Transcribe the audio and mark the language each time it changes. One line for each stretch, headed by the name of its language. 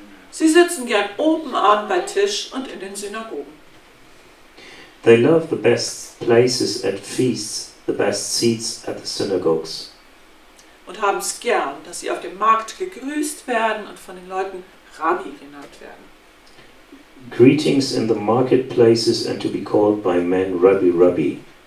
German: Sie sitzen gern oben an bei Tisch und in den Synagogen.
English: They love the best places at feasts, the best seats at the synagogues.
German: Und haben es gern, dass sie auf dem Markt gegrüßt werden und von den Leuten Rabbi genannt werden.
English: Greetings in the marketplaces and to be called by men Rabbi Rabbi.